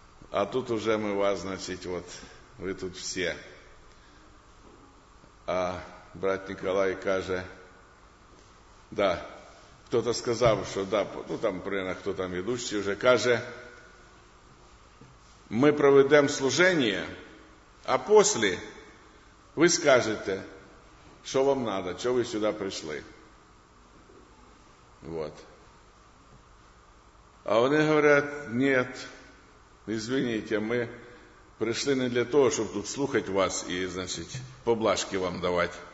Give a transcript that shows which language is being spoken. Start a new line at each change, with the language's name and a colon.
Russian: А тут уже мы вас, вы тут все. А брат Николай каже...
Ukrainian: Да, кто-то сказав, що да, ну там, примерно, хто там ведучий вже каже, ми проведемо служення,
Russian: А после вы скажете, что вам надо, что вы сюда пришли. Вот. А они говорят, нет, извините, мы пришли не для того, чтобы тут слухать вас и, значит, поблажки вам давать.